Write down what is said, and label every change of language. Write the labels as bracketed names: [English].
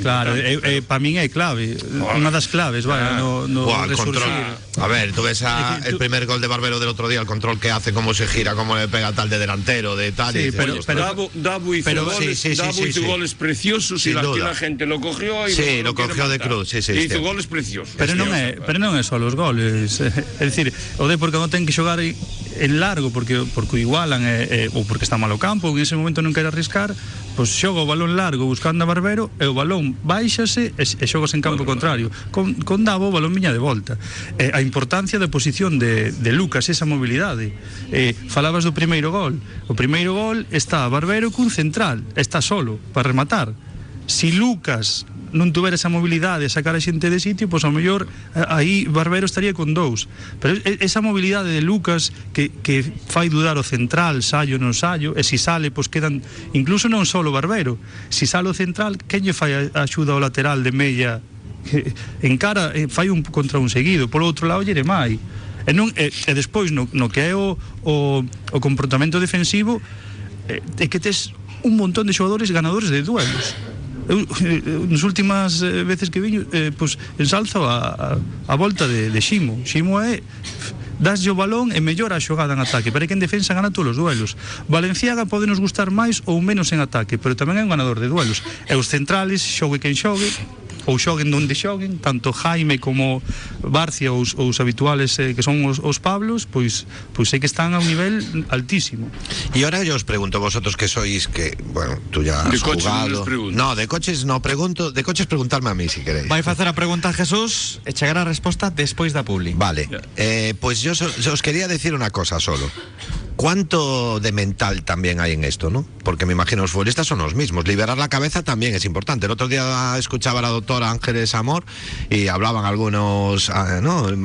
[Galician] Claro, para min é clave. Unha das claves, vale, no resurgir. [Spanish] A ver, tú ves el primer gol de Barbero del otro día, el control que hace, cómo se gira, cómo le pega tal de delantero, de tal. Sí, pero Dabu hizo goles preciosos y la gente lo cogió. Y sí, lo cogió de cruz. Sí, sí, y hizo goles preciosos. [Galician] Pero non é só os goles. É dicir, o de porque non ten que xogar en largo, porque igualan, ou porque está mal o campo, en ese momento non quere arriscar, pois xoga o balón largo buscando a Barbero, e o balón baixase e xogase en campo contrario. Con Dabo, o balón viña de volta. A importancia da posición de Lucas, esa mobilidade. Falabas do primeiro gol. O primeiro gol está Barbero cun central, está solo, para rematar. Si Lucas non tuver esa mobilidade de sacar a xente de sitio, pois ao mellor aí Barbero estaría con dous. Pero esa mobilidade de Lucas que fai dudar o central, sallo ou non sallo, e si sale, pois quedan incluso non só o Barbero. Si sale o central, quen lle fai axuda ao lateral de Mella? Encara, fai un contra un seguido. Por outro lado, Jeremai. E despois, no que é o comportamento defensivo, é que tes un montón de xogadores ganadores de duelos. Nas últimas veces que viño, pues ensalzo a volta de Ximo. Ximo é dáslle o balón e mellora a xogada en ataque, pero é que en defensa gana todos os duelos. Valenciaga pode nos gustar máis ou menos en ataque, pero tamén é un ganador de duelos. E os centrales, xogue quen xogue ou xoguen donde xoguen, tanto Jaime como Barcia ou os habituales que son os Pablos, pois sei que están a un nivel altísimo. E agora eu os pregunto, [Spanish] vosotros que sois, que, bueno, tú ya has de coches jugado... No, de coches no pregunto, de coches preguntarme a mí, si queréis. [Galician] Vai facer a pregunta a Jesús e chegar a resposta despois da publi. Vale, yeah. [Spanish] Pois pues yo os quería decir una cosa solo. ¿Cuánto de mental también hay en esto, no? Porque me imagino los futbolistas son los mismos. Liberar la cabeza también es importante. El otro día escuchaba a la doctora Ángeles Amor y hablaban algunos, ¿no?